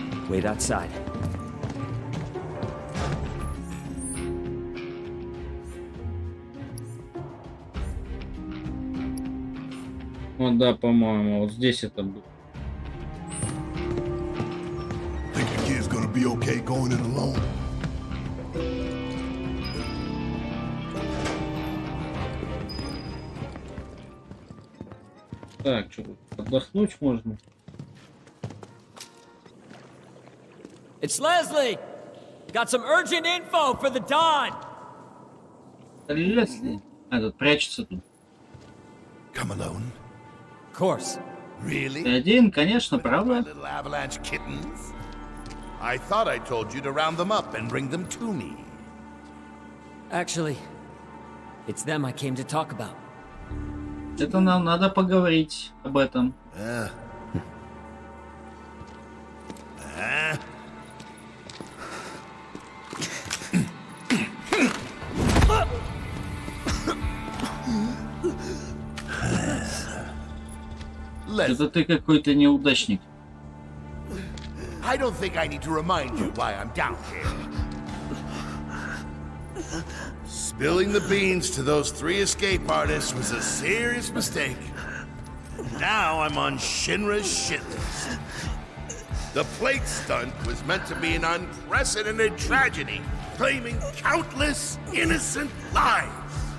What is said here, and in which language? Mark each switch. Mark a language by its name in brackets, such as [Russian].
[English] Wait outside. [Russian] Да, по-моему, вот здесь это был. [English] Think your kid's gonna be okay going in alone? [Russian] Так, что, отдохнуть можно? [English] It's Leslie! Got some urgent info for the Don! [Russian] Leslie? А, тут прячется тут. [English] Come alone? Of course. Really? [Russian] Ты один, конечно, правда? [English] My little avalanche kittens? I thought I told you to round them up and bring them to me. Actually, it's them I came to talk about. [Russian] Это нам надо поговорить об этом. Это ты какой-то неудачник. [English] I don't think I need to remind you why I'm down here. Spilling the beans to those three escape artists was a serious mistake. Now I'm on Shinra's shit list. The plate stunt was meant to be an unprecedented tragedy, claiming countless innocent lives.